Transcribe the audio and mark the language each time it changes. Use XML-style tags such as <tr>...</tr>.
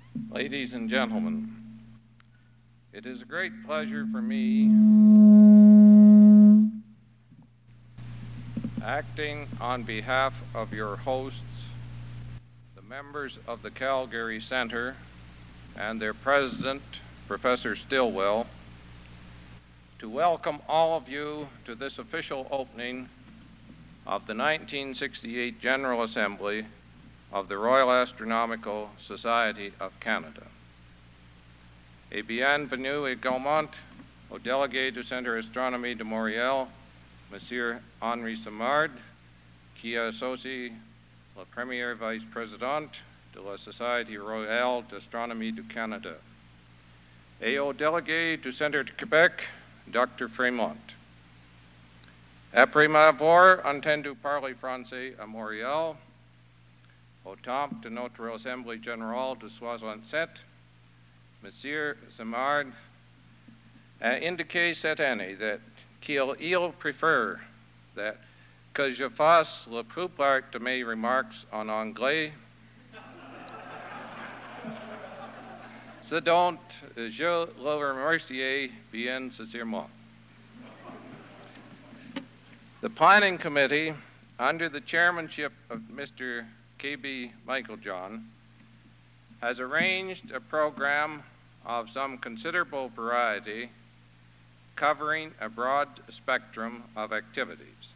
<en>Ladies and gentlemen, it is a great pleasure for me, acting on behalf of your hosts, the members of the Calgary Center, and their president, Professor Stilwell, to welcome all of you to this official opening of the 1968 General Assembly of the Royal Astronomical Society of Canada.</en> <fr>Et bienvenue également au délégué du Centre Astronomie de Montréal, Monsieur Henri Simard, qui associe le premier vice-président de la Société Royale d'Astronomie du Canada. Et au délégué du Centre de Québec, Dr. Fremont. Après m'avoir entendu parler français à Montréal, au temps de notre Assemblée générale de 67, Monsieur Simard a indiqué cette année that qu'il préfère that que je fasse la plupart de mes remarques en anglais. C'est donc, je le remercie bien sincèrement.</fr> <en>The Planning Committee, under the chairmanship of Mr. K.B. Michael John, has arranged a program of some considerable variety covering a broad spectrum of activities.</en>